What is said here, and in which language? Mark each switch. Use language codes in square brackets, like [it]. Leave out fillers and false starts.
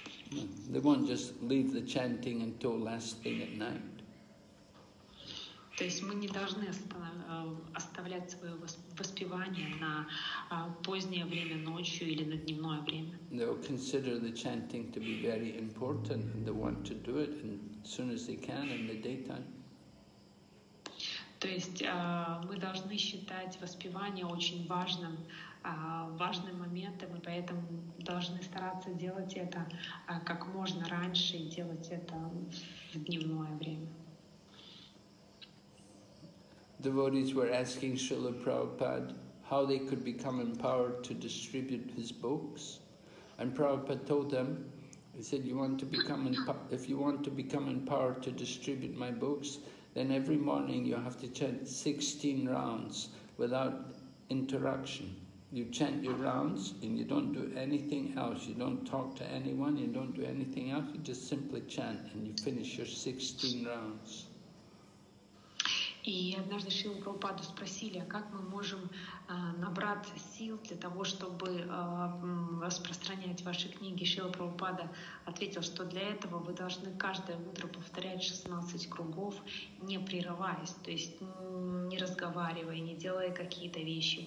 [en] They won't just leave the chanting until last thing at night. [ru] То есть мы не должны оставлять свое воспевание на позднее время ночью или на дневное время. [en] They will consider the chanting to be very important and they want to do it as soon as they can in the daytime. [ru] То есть мы должны считать воспевание очень важным моментом, и поэтому должны стараться делать это как можно раньше и делать это в дневное время. [en] Devotees were asking Srila Prabhupada how they could become empowered to distribute his books. And Prabhupada told them, he said, if you want to become empowered to distribute my books, then every morning you have to chant 16 rounds without interruption. You chant your rounds and you don't do anything else. You don't talk to anyone, you don't do anything else. You just simply chant and you finish your 16 rounds. [ru] И однажды Шрила Прабхупаду спросили, а как мы можем набрать сил для того, чтобы распространять ваши книги? Шрила Прабхупада ответил, что для этого вы должны каждое утро повторять 16 кругов, не прерываясь, то есть не разговаривая, не делая какие-то вещи.